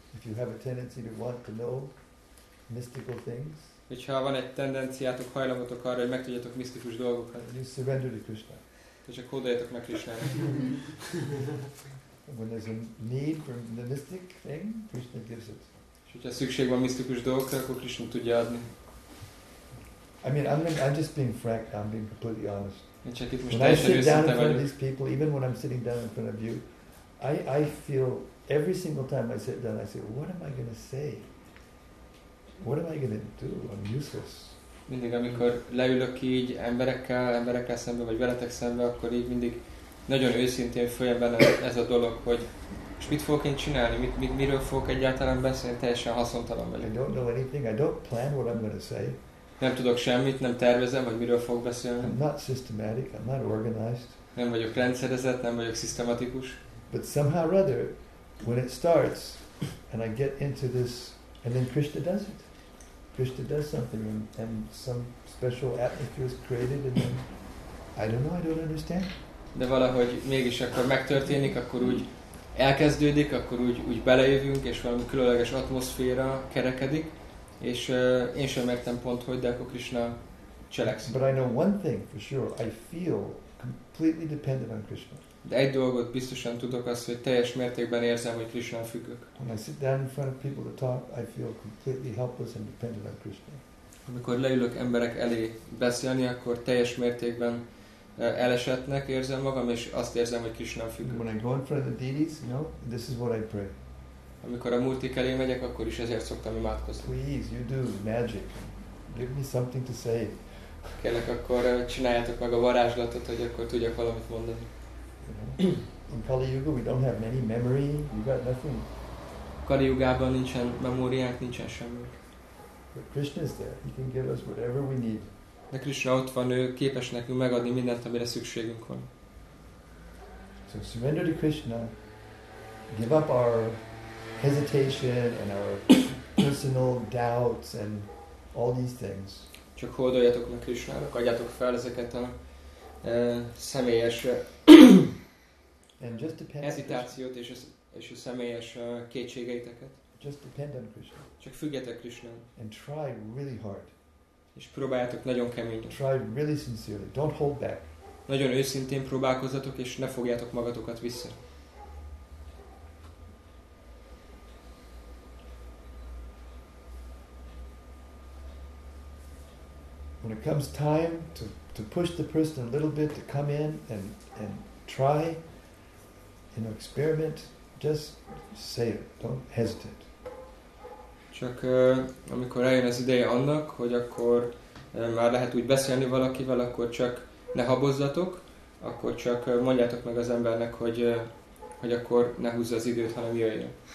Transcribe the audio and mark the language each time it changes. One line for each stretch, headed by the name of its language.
English: If you have a tendency to want to know mystical things.
Hungarian: Hogyha van egy tendenciátok, hajlamotok arra, hogy megtudjatok misztikus dolgokat.
English: You surrender to Krishna.
Hungarian: És akkor odaadjatok meg Krishnának.
English: When there's a need for the mystic thing, Krishna gives it.
Hungarian: És hogyha szükség van misztikus dolgokra, akkor Krishna tudja adni.
English: I mean, I'm just being frank, I'm being completely honest.
Hungarian: Én csak itt most teljesen őszinte vagyok.
English: When I sit down in front of these people, even when I'm sitting down in front of you, I feel every single time I sit down, I say, what am I going to say? What am I going to do? I'm useless.
Hungarian: Mindig, amikor leülök így emberekkel szembe, vagy veletek szembe, akkor így mindig nagyon őszintén följön bele ez a dolog, hogy és mit fogok én csinálni, miről fogok egyáltalán beszélni, teljesen haszontalan vagyok.
English: I don't know anything, I don't plan what I'm going to say.
Hungarian: Nem tudok semmit, nem tervezem, hogy miről fogok beszélni.
English: I'm not systematic, I'm not organized.
Hungarian: Nem vagyok rendszerezett, nem vagyok szisztematikus.
English: But somehow or other, when it starts, and I get into this, and then Krishna does it. Krishna does something, and some special atmosphere is created, and then, I don't know, I don't understand.
Hungarian: De valahogy mégis akkor megtörténik, akkor úgy elkezdődik, akkor úgy belejövünk, és valami különleges atmoszféra kerekedik, és én sem értem pont, hogy de akkor Krishna cselekszik.
English: But I know one thing for sure, I feel completely dependent on Krishna.
Hungarian: De egy dolgot biztosan tudok, az, hogy teljes mértékben érzem, hogy Krishnán függök.
English: When I sit down in front of people to talk, I feel completely helpless and dependent on Krishna.
Hungarian: Amikor leülök emberek elé beszélni, akkor teljes mértékben elesettnek érzem magam, és azt érzem, hogy Krishnán függök.
English: When I go in front of the deities, you know, this is what I pray.
Hungarian: Amikor a múltik elé megyek, akkor is ezért szoktam imádkozni.
English: Please, you do magic. Give me something to say.
Hungarian: Kérlek, akkor csináljátok meg a varázslatot, hogy akkor tudjak valamit mondani.
English: In Kali Yuga, we don't have many memory. We got nothing.
Hungarian: Kali Yuga-ban nincsen memóriánk, nincsen semmi.
English: But Krishna is there. He can give us whatever we need.
Hungarian: De Krishna ott van, ő képes nekünk megadni mindent, amire szükségünk van.
English: So surrender to Krishna. Give up our hesitation and our personal doubts and all these things.
Hungarian: Csak hódoljatok meg Krishnának, adjátok fel ezeket a személyes
English: and just depend
Hungarian: hesitációt és a személyes kétségeiteket.
English: Just depend on Krishna.
Hungarian: Csak függjetek Krishnán.
English: And try really hard.
Hungarian: És próbáljátok nagyon keményen.
English: Try really sincerely. Don't hold back.
Hungarian: Nagyon őszintén próbálkozzatok, és ne fogjátok magatokat vissza.
English: When it comes time to push the person a little bit to come in and try, you know, experiment, just say it, don't hesitate.
Hungarian: Csak amikor eljön az ideje annak, hogy akkor már lehet úgy beszélni valakivel, akkor csak ne habozzatok, akkor csak mondjátok meg az embernek, hogy akkor ne húzza az időt, hanem jöjjön.